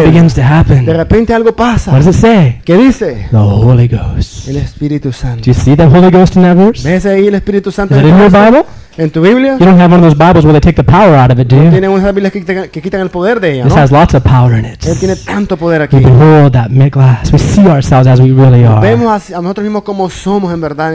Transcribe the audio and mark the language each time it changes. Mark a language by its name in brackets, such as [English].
[English] something begins to happen. [Spanish] De repente algo pasa. [English] What does it say? [Spanish] ¿Qué dice? [English] The Holy Ghost. [Spanish] El Espíritu. [English] Do you see the Holy Ghost in that verse? [Spanish] ¿Ves ahí el Espíritu Santo? [English] Is it in your Bible? [Spanish] ¿En tu Biblia? [English] You don't have one of those Bibles where they take the power out of it, do you? [Spanish] Tiene unas Biblias que quitan el poder de ella, [English] this [Spanish] ¿no? [English] has lots of power in it. [Spanish] Él tiene tanto poder aquí. [English] We behold that glass. We see ourselves as we really are. [Spanish] Vemos a nosotros mismos como somos en verdad.